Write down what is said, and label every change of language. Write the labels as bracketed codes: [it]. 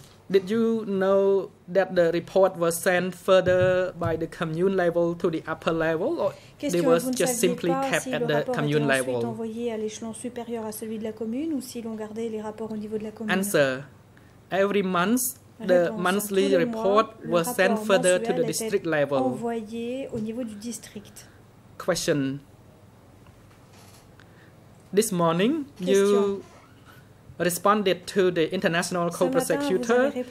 [en] Did you know that the report was sent further by the commune level to the upper level, or they were just simply kept at the commune level? [fr] À l'échelon supérieur à celui de la commune, ou si l'on gardait les rapports au niveau de la commune? [en] Answer. Every month, the monthly report was sent further to the district level. [fr] Envoyé au niveau du district. [en] Question. This morning, you responded to the international co-prosecutor.